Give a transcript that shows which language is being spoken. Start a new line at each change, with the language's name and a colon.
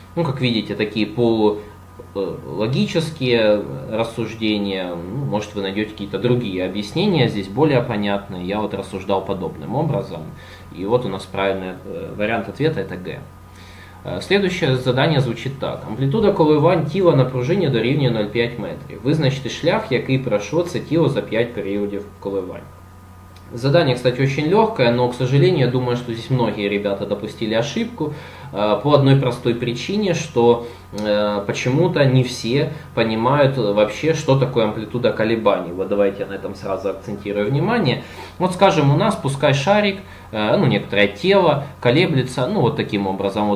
Russian: Ну, как видите, такие логические рассуждения, ну, может, вы найдете какие-то другие объяснения, здесь более понятные. Я вот рассуждал подобным образом, и вот у нас правильный вариант ответа – это Г. Следующее задание звучит так.
Ukrainian: Амплитуда коливань тіла на пружині дорівнює 0,5 метрів. Визначте шлях, який пройшло це тіло за 5 періодів коливань.
Russian: Задание, кстати, очень легкое, но, к сожалению, я думаю, что здесь многие ребята допустили ошибку по одной простой причине, что почему-то не все понимают вообще, что такое амплитуда колебаний. Вот давайте я на этом сразу акцентирую внимание. Вот, скажем, у нас пускай шарик, ну, некоторое тело колеблется, ну, вот таким образом.